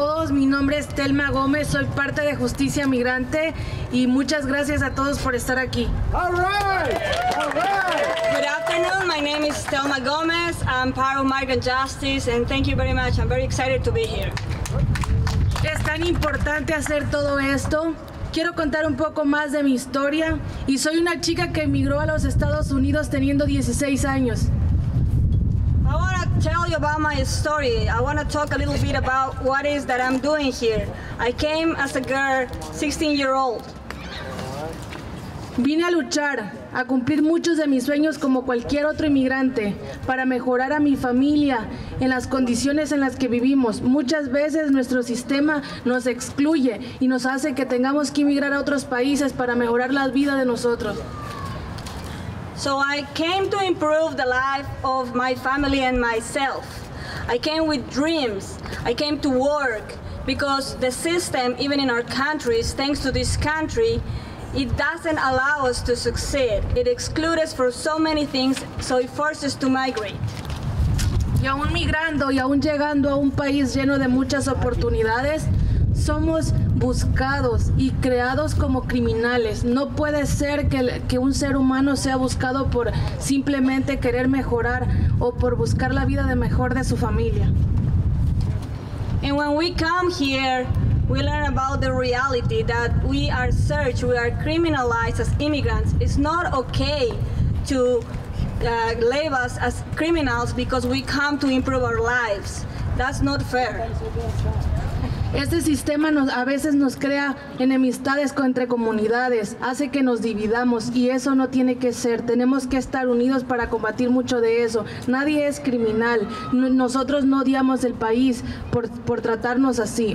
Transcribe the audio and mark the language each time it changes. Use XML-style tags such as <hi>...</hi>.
<es>Mi nombre es Thelma Gómez, soy parte de Justicia Migrante y muchas gracias a todos por estar aquí.</es> <en>All right. Good afternoon, my name is Thelma Gomez. I'm part of Migrant Justice and thank you very much. I'm very excited to be here.</en> <es>Es tan importante hacer todo esto. Quiero contar un poco más de mi historia y soy una chica que emigró a los Estados Unidos teniendo 16 años.</es> <en>Tell you about my story. I want to talk a little bit about what is that I'm doing here. I came as a girl, 16 year old.</en> <es>Vine a luchar, a cumplir muchos de mis sueños como cualquier otro inmigrante, para mejorar a mi familia en las condiciones en las que vivimos. Muchas veces nuestro sistema nos excluye y nos hace que tengamos que emigrar a otros países para mejorar la vida de nosotros.</es> <en>So I came to improve the life of my family and myself. I came with dreams. I came to work because the system, even in our countries, thanks to this country, it doesn't allow us to succeed. It excludes us for so many things, so it forces us to migrate.</en> <es>Y aún migrando y aún llegando a un país lleno de muchas oportunidades, somos buscados y creados como criminales. No puede ser que un ser humano sea buscado por simplemente querer mejorar o por buscar la vida de mejor de su familia.</es> <en>And when we come here, we learn about the reality that we are searched, we are criminalized as immigrants. It's not okay to label us as criminals because we come to improve our lives. That's not fair.</en> <es>Este sistema nos, a veces nos crea enemistades entre comunidades, hace que nos dividamos y eso no tiene que ser. Tenemos que estar unidos para combatir mucho de eso. Nadie es criminal. Nosotros no odiamos el país por tratarnos así.</es>